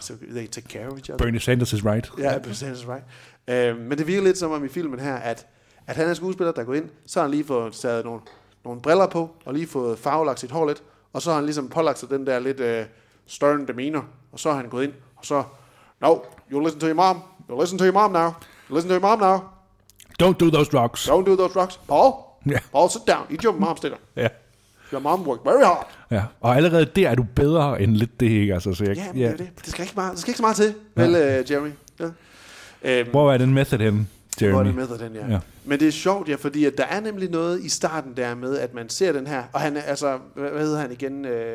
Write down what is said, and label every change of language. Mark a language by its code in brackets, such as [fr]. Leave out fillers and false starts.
[en] So they take care of each other. Bernie Sanders is right. Ja, Bernie Sanders is right. [da] Men det virker lidt som om i filmen her, at han er skuespiller, der går ind, så har han lige fået sat nogle briller på, og lige fået farvelagt sit hår lidt, og så har han ligesom pålagt sig den der lidt [en] stern demeanor, [da] og så har han gået ind, og så, [en] no, you listen to your mom now. Don't do those drugs. Don't do those drugs. Paul, Yeah. All sit down. Eat your mom's dinner. Yeah. Your mom worked very hard. [da] Ja, og allerede der er du bedre end lidt det, ikke? Altså, så jeg, ja, ja. Det skal ikke meget, det skal ikke så meget til, ja. Vel, Jeremy? Ja. Hvor er den method henne, Jeremy? Hvor er den method henne, ja. Ja. Men det er sjovt, ja, fordi at der er nemlig noget i starten der med, at man ser den her, og han er, altså, hvad hedder han igen?